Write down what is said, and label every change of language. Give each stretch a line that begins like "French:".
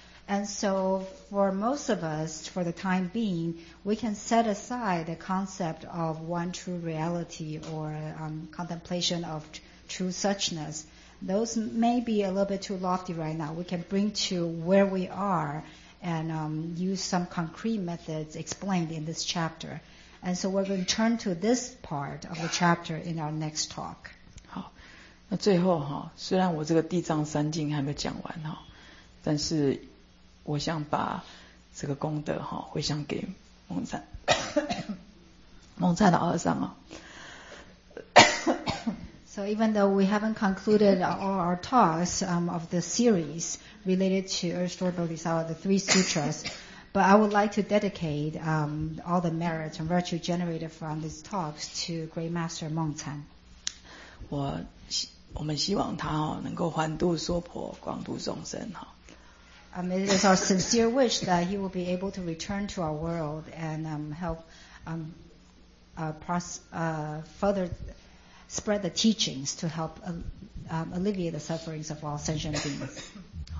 English: And so for most of us, for the time being, we can set aside the concept of one true reality or contemplation of true suchness those may be a little bit too lofty right now. We can bring to where we are and use some concrete methods explained in this chapter. And so we're going to turn to this part of the chapter in our next talk.
Chinese: 好，那最后哈，虽然我这个地藏三经还没讲完哈，但是我想把这个功德哈回向给蒙赞，蒙赞老和尚啊。
English: So even though we haven't concluded all our talks of the series related to Restored Bodhisattva, the three sutras, but I would like to dedicate all the merits and virtue generated from these talks to Great Master Meng Zhan.
Chinese: 我们希望他能够还度娑婆，广度众生。
English: It is our sincere wish that he will be able to return to our world and help further spread the teachings to help alleviate the sufferings of all sentient beings.